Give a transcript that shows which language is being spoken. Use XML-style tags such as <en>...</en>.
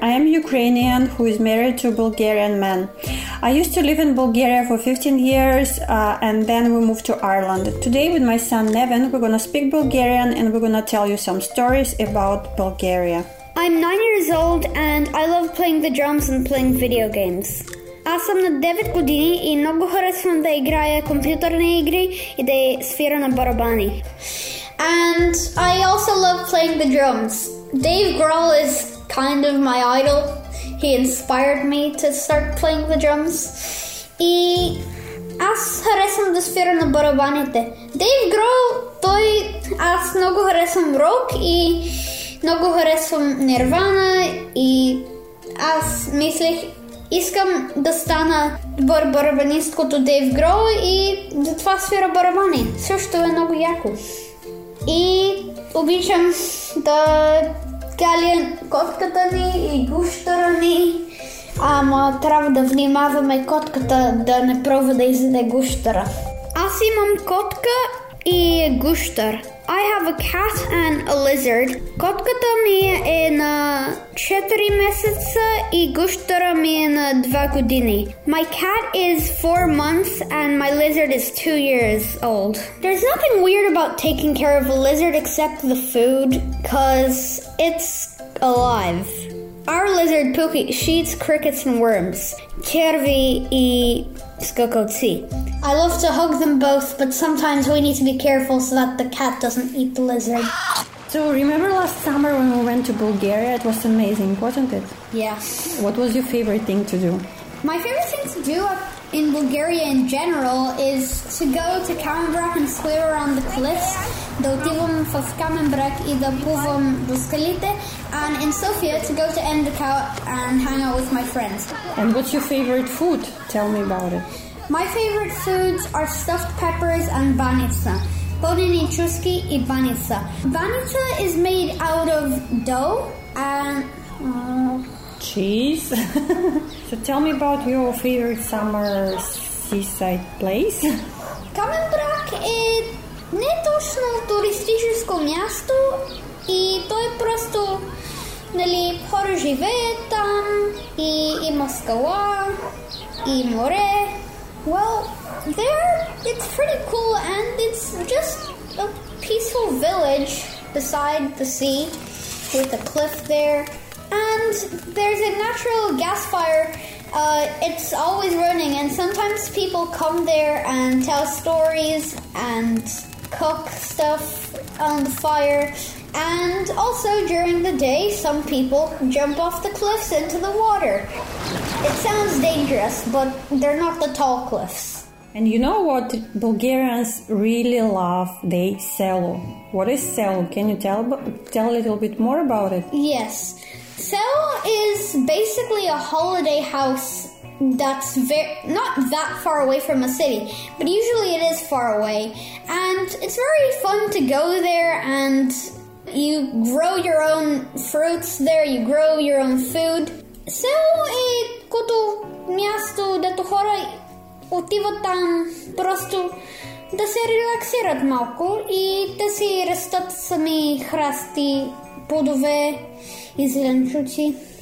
<en>I am Ukrainian who is married to a Bulgarian man. I used to live in Bulgaria for 15 years and then we moved to Ireland. Today with my son Nevin, we're going to speak Bulgarian and we're going to tell you some stories about Bulgaria. I'm 9 years old and I love playing the drums and playing video games.</en> <bg>Аз съм на 9 години и много харесвам да играя компютърни игри и да свира на барабани.</bg> <en>And I also love playing the drums. Dave Grohl is kind of my idol. He inspired me to start playing the drums.</en> <bg>И аз харесвам да свира на барабаните. Дейв Грол, той, аз много харесвам рок и много харесвам Нирвана и аз мислех, искам да стана барабанист като Дейв Грол и затова свира барабани. Също е много яко. И обичам да галя котката ни и гущера ни. Ама трябва да внимаваме котката да не пробва да изяде гущера. Аз имам котка и гущер.</bg> <en>I have a cat and a lizard.</en> <bg>Котката ми е на 4 месеца и гущера ми е на 2 години.</bg> <en>My cat is 4 months and my lizard is 2 years old. There's nothing weird about taking care of a lizard except the food, cause it's alive. Our lizard Pookie, she eats crickets and worms.</en> <bg>Черви и скокоци.</bg> <en>I love to hug them both, but sometimes we need to be careful so that the cat doesn't eat the lizard. So, remember last summer when we went to Bulgaria? It was amazing, wasn't it? Yeah. What was your favorite thing to do? My favorite thing to do in Bulgaria in general is to go to Kamenbrek and swim around the cliffs.</en> <bg>Да отивам в Каменбрек и да плувам до скалите.</bg> <en>And in Sofia, to go to Endekau and hang out with my friends. And what's your favorite food? Tell me about it. My favorite foods are stuffed peppers and banitsa.</en> <bg>Polnini chuski i banitsa.</bg> <en>Banitsa is made out of dough and... Cheese? So tell me about your favorite summer seaside place.</en> <bg>Каменбрек е не точно туристическо място и то е просто... Нали, хора живеят там и има скала и море.</bg> <en>Well, there, it's pretty cool and it's just a peaceful village beside the sea with a cliff there. And there's a natural gas fire. It's always running and sometimes people come there and tell stories and cook stuff on the fire. And also during the day, some people jump off the cliffs into the water. It sounds dangerous, but they're not the tall cliffs. And you know what Bulgarians really love? They selo. What is selo? Can you tell a little bit more about it? Yes. Selo is basically a holiday house that's not that far away from a city, but usually it is far away. And it's very fun to go there and you grow your own fruits there, you grow your own food.</en> <bg>Село е като място, дето хора отиват там просто да се релаксират малко и да си растат сами храсти, плодове и зеленчуци.</bg>